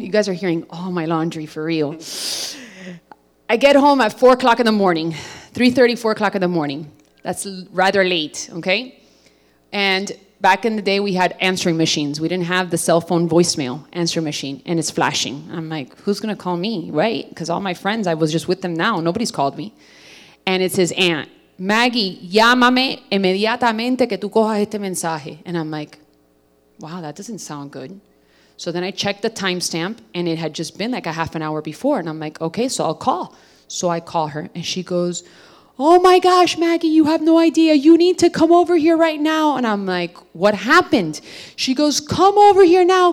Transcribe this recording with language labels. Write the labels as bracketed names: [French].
[English] You guys are hearing all my laundry for real. I get home at 4 o'clock in the morning, 3:30, 4 o'clock in the morning. That's rather late, okay? And back in the day, we had answering machines. We didn't have the cell phone voicemail answering machine, and it's flashing. I'm like, who's going to call me, right? Because all my friends, I was just with them now. Nobody's called me. And it's his aunt. [Spanish] Maggie, llámame inmediatamente que tú cojas este mensaje. [English] And I'm like, wow, that doesn't sound good. So then I checked the timestamp, and it had just been like a half an hour before. And I'm like, okay, so I'll call. So I call her, and she goes, oh my gosh, Maggie, you have no idea. You need to come over here right now. And I'm like, what happened? She goes, come over here now.